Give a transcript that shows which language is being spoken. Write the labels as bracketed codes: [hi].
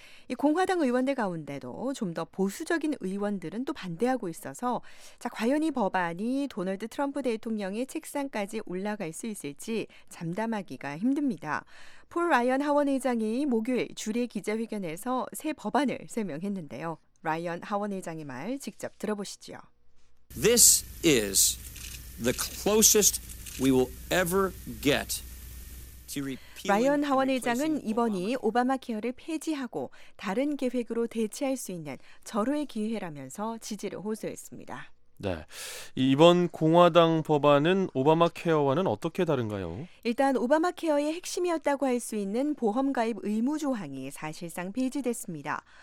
[ko] 이 공화당 의원들 가운데도 좀 더 보수적인 의원들은 또 반대하고 있어서 자 과연 이 법안이 도널드 트럼프 대통령의 책상까지 올라갈 수 있을지 잠담하기가 힘듭니다. 폴 라이언 하원의장이 목요일 주례 기자회견에서 새 법안을 설명했는데요. 라이언 하원의장의 말 직접 들어보시죠. [en] This is the closest we will ever get to repeal. [ko] 라이언 하원 의장은 이번이 오바마 케어를 폐지하고 다른 계획으로 대체할 수 있는 절호의 기회라면서 지지를 호소했습니다. 네, 이번 공화당 법안은 오바마 케어와는 어떻게 다른가요? 일단 오바마 케어의 핵심이었다고 할 수 있는 보험 가입 의무 조항이 사실상 폐지됐습니다.